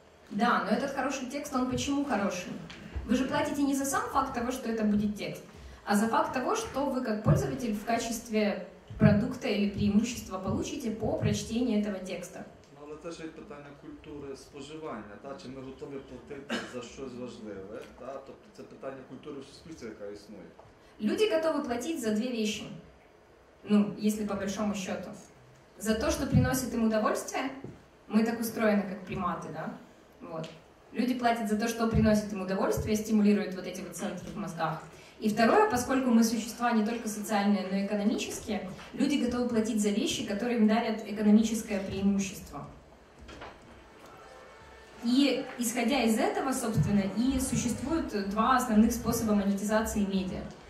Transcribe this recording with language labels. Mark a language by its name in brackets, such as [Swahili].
[Russian] Да, но этот хороший текст, он почему хороший? Вы же платите не за сам факт того, что это будет текст, а за факт того, что вы как пользователь в качестве продукта или преимущества получите по прочтению этого текста. [Ukrainian] Це ж питання культури споживання, та чи ми готові платити за щось важливе, та тобто це питання культури в суспільстві, яка існує. Люди готові платити за дві речі. Ну, якщо [Russian] по большому счету. [Ukrainian] За те, що приносить їм удовольствие. Ми так устроєні, як примати, да? Вот. Люди платять за те, що приносить їм удовольствие, стимулюють [Russian] вот эти вот [Ukrainian] центри в мозгах. [Russian] И второе, поскольку мы существа не только социальные, но и экономические, люди готовы платить за вещи, которые им дарят экономическое преимущество. И исходя из этого, собственно, и существуют два основных способа монетизации медиа.